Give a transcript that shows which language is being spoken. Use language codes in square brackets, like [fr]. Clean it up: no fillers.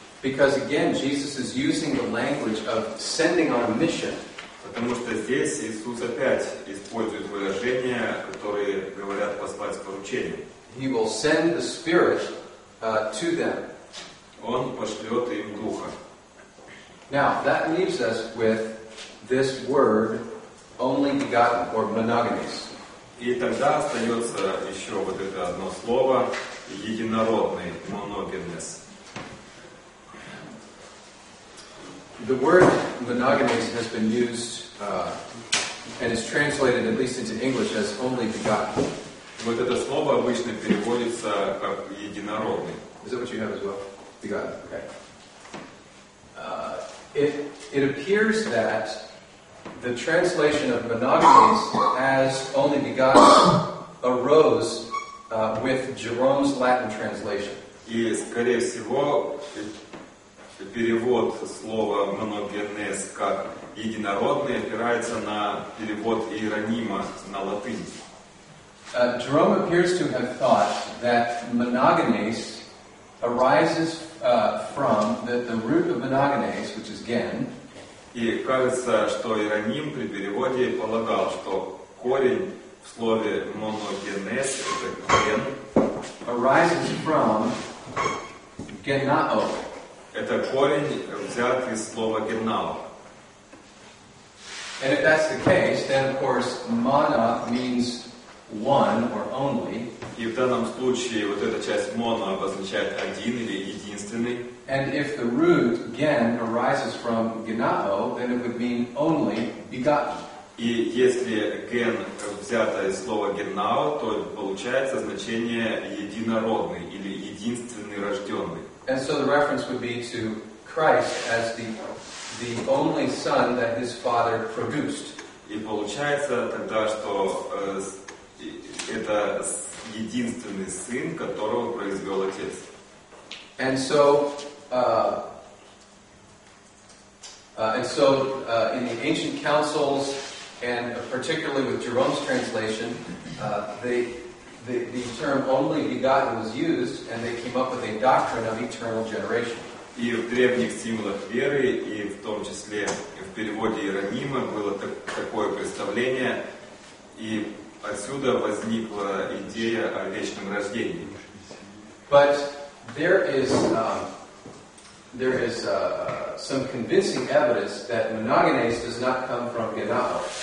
[en] Because again, Jesus is using the language of sending on a mission. [ru] Потому что здесь Иисус опять использует выражения, которые говорят послать поручение. [en] He will send the Spirit to them. [ru] Он пошлет им Духа. [en] Now, that leaves us with this word, only begotten, or monogamous. [ru] И тогда остается еще вот это одно слово, единородный, monogamous. [en] The word monogamous has been used And it's translated, at least into English, as only begotten. [ru] Вот это слово обычно переводится как единородный. [en] Is that what you have as well? Begotten. Okay. It appears that the translation of monogamies as only begotten arose with Jerome's Latin translation. [ru] И, скорее всего, перевод слова «моногенез» как «единородный» опирается на перевод Иеронима на латынь. [en] Jerome appears to have thought that monogenes arises from the root of monogenes, which is gen. [ru] И кажется, что Иероним при переводе полагал, что корень в слове «моногенез» — это «ген». [en] Arises from genao. [ru] Это корень взят из слова генао. [en] And if that's the case, then of course mono means one or only. [ru] И в данном случае вот эта часть mono обозначает один или единственный. [en] And if the root gen arises from genao, then it would mean only begotten. [ru] И если ген взято из слова генао, то получается значение единородный или единственный рожденный. [en] And so the reference would be to Christ as the only son that his father produced. [ru] И получается тогда, что это единственный сын, которого произвел отец. [en] And so in the ancient councils, and particularly with Jerome's translation, the term only begotten was used, and they came up with a doctrine of eternal generation. [ru] И в древних символах веры, и в том числе в переводе Иеронима, было такое представление, и отсюда возникла идея о вечном рождении. [en] But there is some convincing evidence that monogenes does not come from genao.